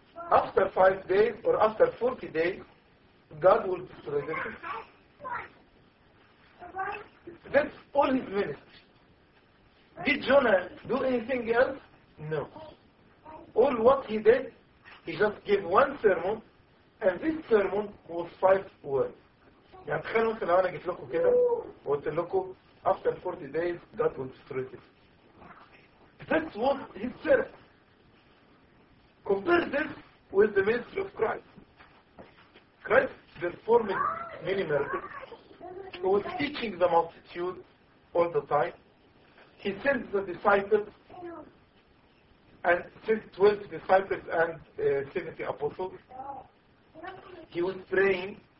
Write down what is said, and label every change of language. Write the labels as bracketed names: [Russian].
[English] After 5 days, or after 40 days, God will destroy them. That's all his ministry. Did Jonah do anything else? No. All what he did, he just gave one sermon, and this sermon was 5 words. [Arabic] يعني تخيلوا مثلا لو انا جيت لكم كده وقلت لكم [English] after 40 days God will destroy it. That was his sermon. Compare this with the ministry of Christ. Christ performed many miracles. He was teaching the multitude all the time. He sent the disciples and sent 12 disciples and 70 apostles. He was praying.